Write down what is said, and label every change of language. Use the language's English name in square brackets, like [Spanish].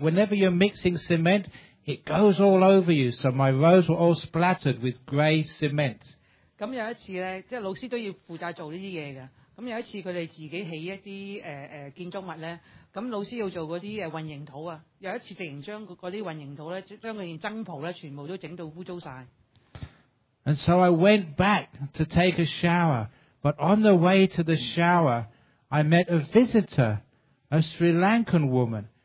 [English] Whenever you're mixing cement, it goes all over you, so my robes were all splattered with grey cement. [Cantonese] 咁有一次咧，即係老師都要負責做呢啲嘢噶。咁有一次佢哋自己起一啲建築物咧，咁老師要做嗰啲混凝土啊。有一次突然將嗰啲混凝土咧，將嗰件僧袍咧，全部都整到污糟曬。 [English] And so I went back to take a shower, but on the way to the shower, I met a visitor, a Sri Lankan woman.